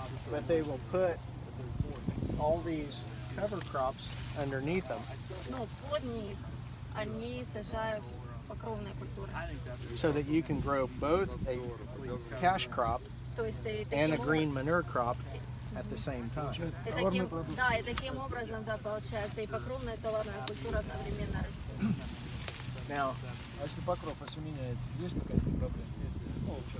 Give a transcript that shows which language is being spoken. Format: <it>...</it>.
<en>But they will put all these cover crops underneath them.</en> <ru>No, под них они сажают покровные культуры.</ru> <en>So that you can grow both a cash crop and a green manure crop at the same time.</en> <ru>Да, и таким образом, да, получается, и покровная, и товарная культура одновременно растет.</ru> <en>Now,</en> <ru>а если покров осеменяется, есть какая-то проблема?</ru>